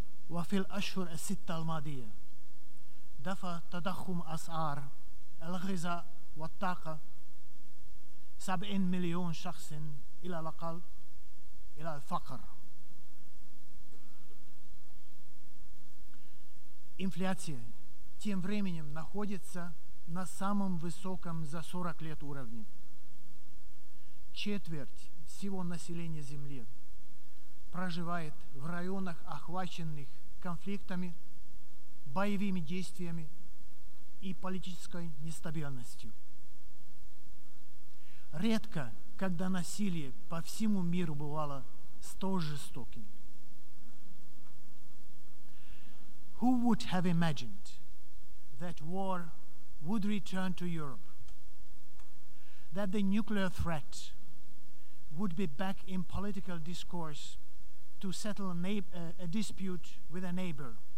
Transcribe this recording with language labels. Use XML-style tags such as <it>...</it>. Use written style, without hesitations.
<ar>وفي الأشهر الستة الماضية دفع تضخم أسعار الغذاء والطاقة 70 مليون شخص إلى الأقل إلى الفقر</ar> <ru>Инфляция тем временем находится на самом высоком за 40 лет уровне. Четверть всего населения Земли проживает в районах, охваченных конфликтами, боевыми действиями и политической нестабильностью. Редко, когда насилие по всему миру бывало столь жестоким.</ru> <en>Who would have imagined that war would return to Europe, that the nuclear threat would be back in political discourse to settle a dispute with a neighbor.</en>